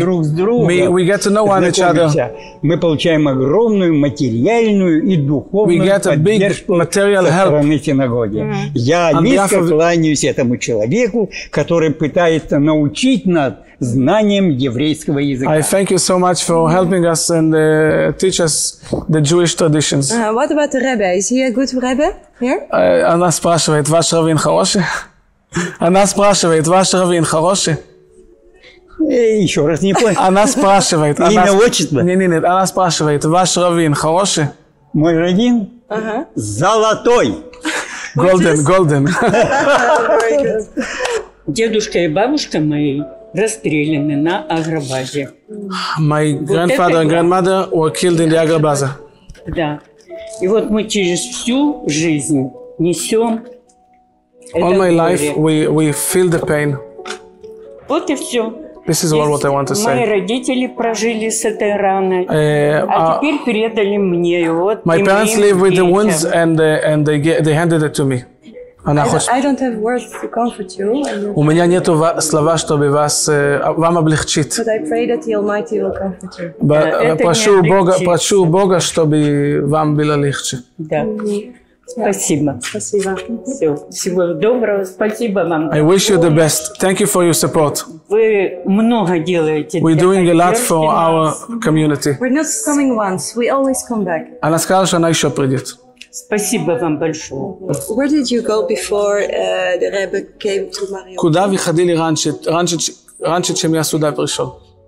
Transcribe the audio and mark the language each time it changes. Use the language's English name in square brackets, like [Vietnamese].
[Russian] Друг с другом. [English] We get to know one each other. [Russian] Мы получаем огромную материальную и духовную поддержку со стороны синагоги. Я низко кланяюсь этому человеку, который пытается научить нас знанием еврейского языка. [English] I thank you so much for helping us and teach us the Jewish traditions. What about the rabbi? Is he a good rabbi here? [Russian] Она спрашивает, ваш раввин хороший? Она спрашивает, ваш раввин хороший? Еще раз не понял. Она спрашивает. Имя, отчество? Не, она спрашивает, ваш раввин хороший? Мой раввин? Золотой. [English] Golden. [Russian] Дедушка и бабушка мои расстреляны на Агробазе. [English] My grandfather and grandmother were killed in the Agrabaza. [Russian] Да. И вот мы через всю жизнь несем это [English] горе. All my life we feel the pain. [Russian] Вот и все. [English] This is all what I want to say. [Russian] Мои родители прожили с этой раной, а теперь передали мне его. Вот [English] my parents live with the wounds and they handed it to me. I don't have words to comfort you. [Russian] У меня нету слова, чтобы вас вам облегчить. [English] But I pray that the Almighty will comfort you. [Russian] Прошу Бога, чтобы вам было легче. Да. Спасибо. Спасибо. Всего доброго. Спасибо вам. [English] I wish you the best. Thank you for your support. [Russian] Вы много делаете. [English] We're doing a lot for our community. We're not coming once. We always come back. [Russian] Она сказала, что она еще придет. Спасибо вам большое. [English] Where did you go before the Rebbe came to Mariupol? [Russian] Куда вы ходили раньше, чем я сюда пришел?